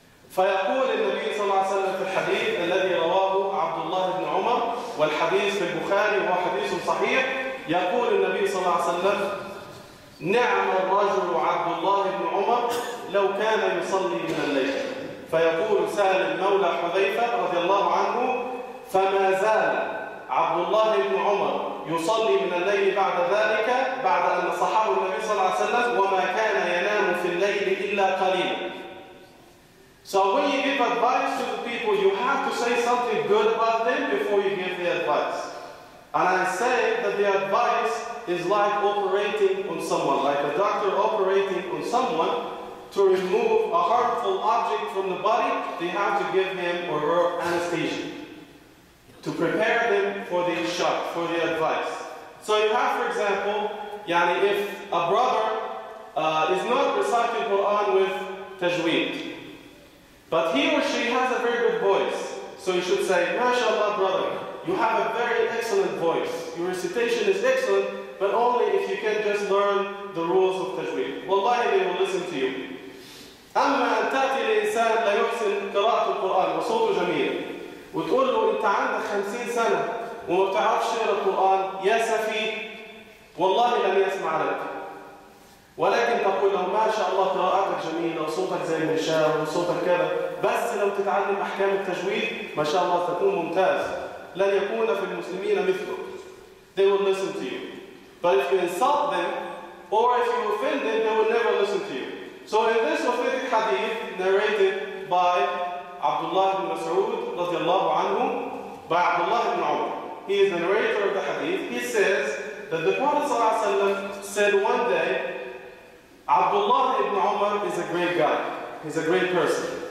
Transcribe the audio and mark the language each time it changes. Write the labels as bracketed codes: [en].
[ar] فيقول النبي صلى الله عليه وسلم في الحديث الذي رواه عبد الله بن عمر والحديث في البخاري هو حديث صحيح، يقول النبي صلى الله عليه وسلم: نعم الرجل عبد الله بن عمر لو كان يصلي من الليل. فيقول سالم مولى حذيفة رضي الله عنه: فما زال عبد الله بن عمر يصلي من الليل بعد ذلك بعد أن نصحه النبي صلى الله عليه وسلم وما كان ينام في الليل إلا قليلا. [en] So when you give advice to the people, you have to say something good about them before you give the advice. And I say that the advice is like operating on someone, like a doctor operating on someone to remove a harmful object from the body, they have to give him or her anesthesia to prepare them for the shot, for the advice. So you have, for example, yani if a brother is not reciting Quran with tajweed, but he or she has a very good voice, so you should say, MashaAllah, brother, you have a very excellent voice. Your recitation is excellent, but only if you can just learn the rules of tajweed. Wallahi, they will listen to you. [ar] أما أن تأتي لإنسان لا يحسن قراءة القرآن وصوته جميل وتقول له أنت عندك 50 سنة وما بتعرفش تقرأ القرآن يا سفي، والله لم يسمع لك. ولكن تقول له ما شاء الله قراءتك جميلة وصوتك زي المشاه وصوتك كذا، بس لو تتعلم أحكام التجويد ما شاء الله ستكون ممتاز، لن يكون في المسلمين مثلك. [en] They will listen to you. But if you insult them or if you offend them, they will never listen to you. So in this authentic hadith narrated by Abdullah ibn Mas'ud [ar] رضي الله عنه [en] by Abdullah ibn Umar, he is the narrator of the hadith, he says that the Prophet [ar] صلى الله عليه وسلم [en] said one day, Abdullah ibn Umar is a great guy, he's a great person.